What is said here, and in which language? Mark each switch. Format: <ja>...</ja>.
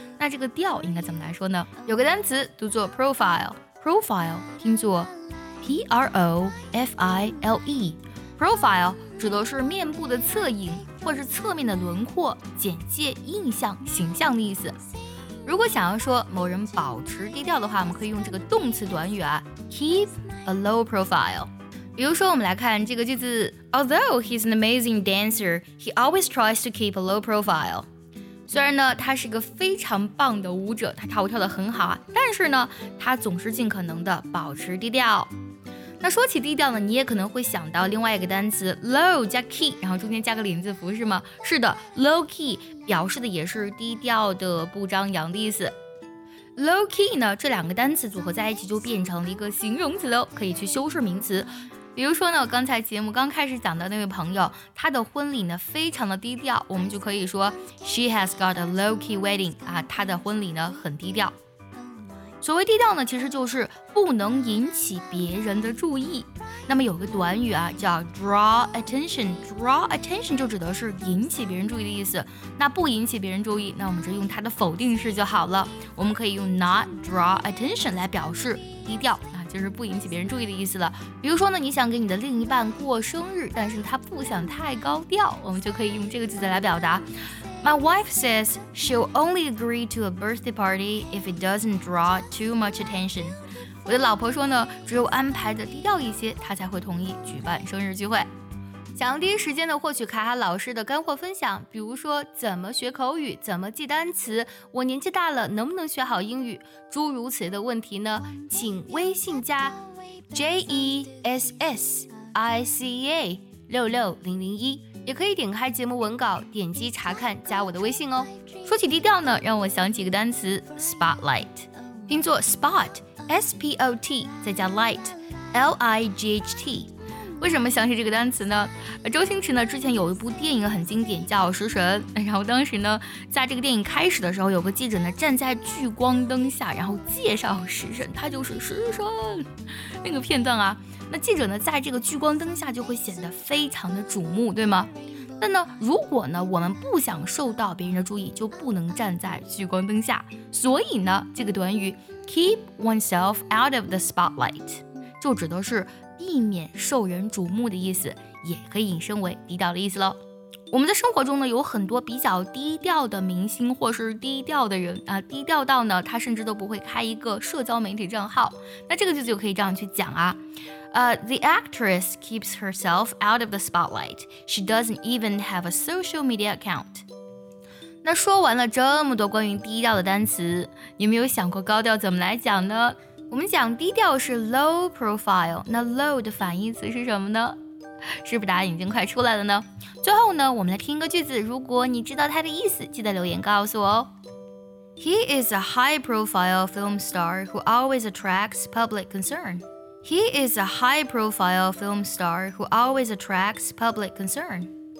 <zh>那这个调应该怎么来说呢？有个单词读作 profile， 听作 P-R-O-F-I-L-E， profile 指的是面部的侧影或是侧面的轮廓、简介、印象、形象的意思。如果想要说某人保持低调的话，我们可以用这个动词短语啊</zh> <en>keep a low profile。</en> <zh>比如说我们来看这个句子，</zh> <en>Although he's an amazing dancer, he always tries to keep a low profile.</en> <zh>虽然呢他是个非常棒的舞者，他跳舞跳得很好，但是呢他总是尽可能的保持低调。那说起低调呢，你也可能会想到另外一个单词 low 加 key， 然后中间加个零字符，是吗？是的， low key 表示的也是低调的、不张扬的意思。 low key 呢，这两个单词组合在一起就变成了一个形容词了，可以去修饰名词。比如说呢，刚才节目刚开始讲的那位朋友，他的婚礼呢非常的低调，我们就可以说</zh> <en>She has got a low key wedding</en> <zh>啊，她的婚礼呢很低调。所谓低调呢，其实就是不能引起别人的注意。那么有个短语啊叫</zh> <en>draw attention</en> <zh>就指的是引起别人注意的意思。那不引起别人注意，那我们就用它的否定式就好了，我们可以用</zh> <en>not draw attention</en> <zh>来表示低调，那就是不引起别人注意的意思了。比如说呢，你想给你的另一半过生日，但是他不想太高调，我们就可以用这个句子来表达。</zh> <en>My wife says she'll only agree to a birthday party if it doesn't draw too much attention.</en> <zh>我的老婆说呢，只有安排的低调一些，她才会同意举办生日聚会。想要第一时间的获取卡卡老师的干货分享，比如说怎么学口语、怎么记单词、我年纪大了能不能学好英语，诸如此类的问题呢，请微信加 JESSICA66001。也可以点开节目文稿，点击查看，加我的微信哦。说起低调呢，让我想起一个单词 spotlight， 拼作 spot s p o t 再加 light l i g h t。为什么想起这个单词呢？周星驰呢之前有一部电影很经典，叫《食神》。然后当时呢，在这个电影开始的时候，有个记者呢站在聚光灯下，然后介绍食神，他就是食神那个片段啊。那记者呢在这个聚光灯下就会显得非常的瞩目，对吗？但呢如果呢我们不想受到别人的注意，就不能站在聚光灯下。所以呢这个短语</zh> <en>keep oneself out of the spotlight</en> <zh>就指的是避免受人瞩目的意思，也可以引申为低调的意思了。我们在生活中呢有很多比较低调的明星或是低调的人啊，低调到呢他甚至都不会开一个社交媒体账号。那这个句子就可以这样去讲啊，</zh> <en>The actress keeps herself out of the spotlight. She doesn't even have a social media account.</en> <zh>那说完了这么多关于低调的单词，你没有想过高调怎么来讲呢？我们讲低调是 low profile， 那 low 的反义词是什么呢？是不是答案已经快出来了呢？最后呢，我们来听一个句子，如果你知道它的意思，记得留言告诉我哦。</zh> <en>He is a high profile film star who always attracts public concern. He is a high-profile film star who always attracts public concern.</en>